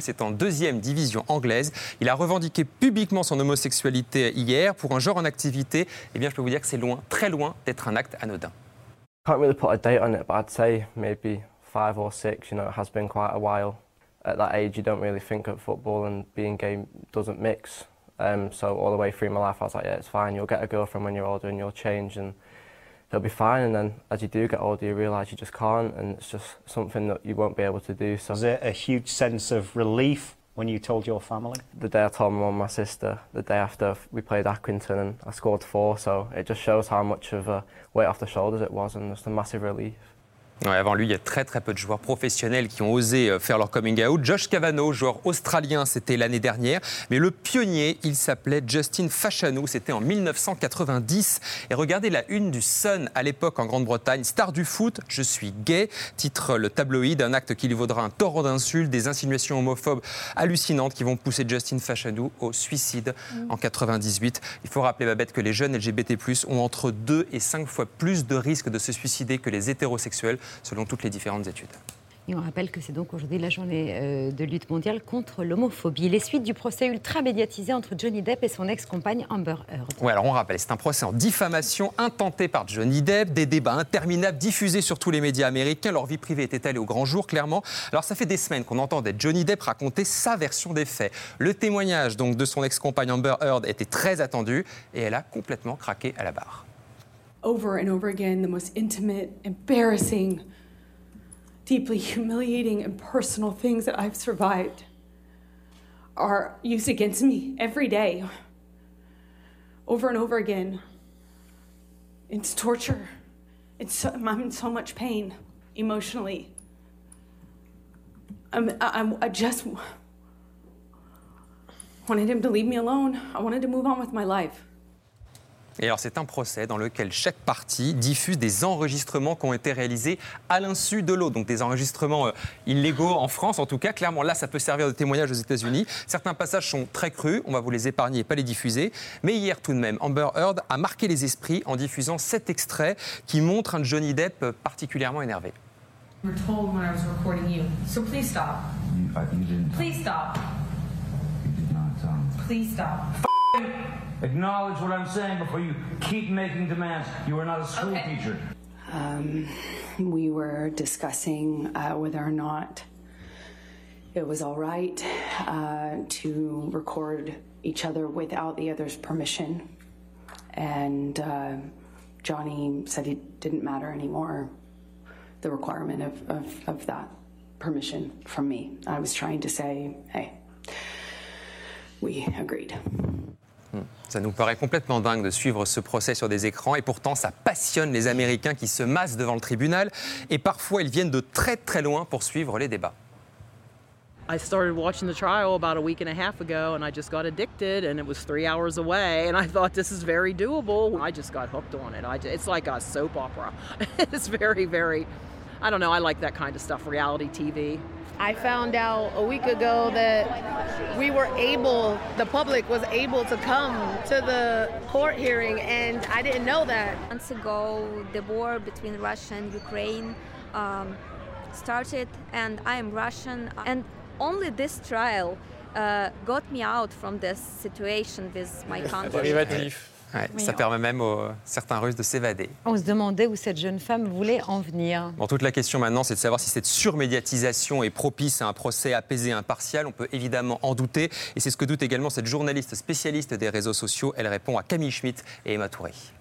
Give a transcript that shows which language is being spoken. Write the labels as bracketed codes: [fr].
[fr] C'est en deuxième division anglaise. Il a revendiqué publiquement son homosexualité hier pour un joueur en activité. Eh bien, je peux vous dire que c'est loin, très loin d'être un acte anodin. Je ne peux pas vraiment mettre une date sur ça, mais peut-être 5 ou 6, vous savez, ça a été quand même assez longtemps. À cet âge, vous ne pensez pas vraiment au football et être gay ne mixe pas. [en] So all the way through my life, I was like, yeah, it's fine. You'll get a girlfriend when you're older and you'll change and it'll be fine. And then as you do get older, you realise you just can't and it's just something that you won't be able to do. So. Was it a huge sense of relief when you told your family? The day I told my mum and my sister, the day after we played Accrington and I scored 4. So it just shows how much of a weight off the shoulders it was and just a massive relief. [fr] Ouais, avant lui, il y a très très peu de joueurs professionnels qui ont osé faire leur coming out. Josh Cavano, joueur australien, c'était l'année dernière. Mais le pionnier, il s'appelait Justin Fashanu. C'était en 1990. Et regardez la une du Sun à l'époque en Grande-Bretagne. Star du foot, je suis gay. Titre le tabloïd, un acte qui lui vaudra un torrent d'insultes, des insinuations homophobes hallucinantes qui vont pousser Justin Fashanu au suicide en 98. Il faut rappeler, Babette, que les jeunes LGBT+ ont entre 2 et 5 fois plus de risques de se suicider que les hétérosexuels, selon toutes les différentes études. Et on rappelle que c'est donc aujourd'hui la journée de lutte mondiale contre l'homophobie. Les suites du procès ultra médiatisé entre Johnny Depp et son ex-compagne Amber Heard. Oui, alors on rappelle, c'est un procès en diffamation intenté par Johnny Depp, des débats interminables diffusés sur tous les médias américains. Leur vie privée était allée au grand jour, clairement. Alors ça fait des semaines qu'on entendait Johnny Depp raconter sa version des faits. Le témoignage donc de son ex-compagne Amber Heard était très attendu et elle a complètement craqué à la barre. [en] Over and over again, the most intimate, embarrassing, deeply humiliating and personal things that I've survived are used against me every day. Over and over again, it's torture. I'm in so much pain emotionally. I just wanted him to leave me alone. I wanted to move on with my life. [fr] Et alors c'est un procès dans lequel chaque partie diffuse des enregistrements qui ont été réalisés à l'insu de l'autre, donc des enregistrements illégaux en France en tout cas. Clairement là ça peut servir de témoignage aux États-Unis. Certains passages sont très crus, on va vous les épargner et pas les diffuser. Mais hier tout de même, Amber Heard a marqué les esprits en diffusant cet extrait qui montre un Johnny Depp particulièrement énervé. [en] We're told when I was recording you, so please stop. Acknowledge what I'm saying before you keep making demands. You are not a school teacher. We were discussing whether or not it was all right to record each other without the other's permission. And Johnny said it didn't matter anymore, the requirement of that permission from me. I was trying to say, hey, we agreed. [fr] Ça nous paraît complètement dingue de suivre ce procès sur des écrans et pourtant ça passionne les Américains qui se massent devant le tribunal et parfois ils viennent de très très loin pour suivre les débats. [en] I started watching the trial about a week and a half ago and I just got addicted and it was 3 hours away and I thought this is very doable. I just got hooked on it. It's like a soap opera. It's very, very, I don't know, I like that kind of stuff, reality TV. I found out a week ago that we were able, the public was able to come to the court hearing, and I didn't know that. Months ago, the war between Russia and Ukraine started, and I am Russian, and only this trial got me out from this situation with my country. [fr] Ouais, ça permet même aux certains Russes de s'évader. On se demandait où cette jeune femme voulait en venir. Bon, toute la question maintenant, c'est de savoir si cette surmédiatisation est propice à un procès apaisé et impartial. On peut évidemment en douter. Et c'est ce que doute également cette journaliste spécialiste des réseaux sociaux. Elle répond à Camille Schmitt et Emma Touré.